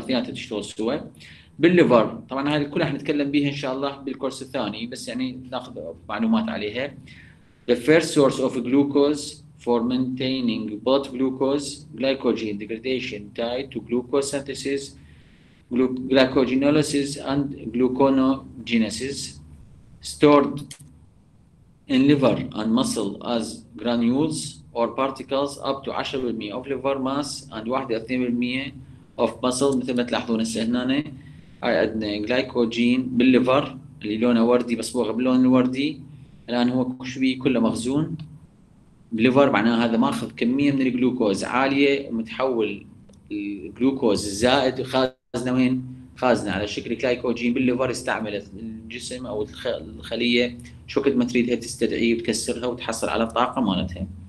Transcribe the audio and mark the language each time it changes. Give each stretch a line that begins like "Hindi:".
Arabic: ثنيات تشتغل سوا بالليفر. طبعا هاي الكل راح نتكلم بيها ان شاء الله بالكورس الثاني، بس يعني ناخذ معلومات عليها.
English: The first source of glucose for maintaining blood glucose, glycogen degradation tied to glucose synthesis, glycogenolysis and gluconeogenesis stored in liver and muscle as granules or particles up to 10% of liver mass and 1-2% of muscle.
Arabic: مثل ما تلاحظون هسه هنا هاي عندنا جلايكوجين بالليفر اللي لونه وردي مصبوغ باللون الوردي. الان هو كوش بيه كله مخزون بالليفر، معناه هذا ماخذ كميه من الجلوكوز عاليه ومتحول الجلوكوز الزائد خازنه وين؟ خازنه على شكل جلايكوجين بالليفر، استعملت الجسم او الخليه شوكت ما تريدها تستدعي وتكسرها وتحصل على الطاقه مالتها.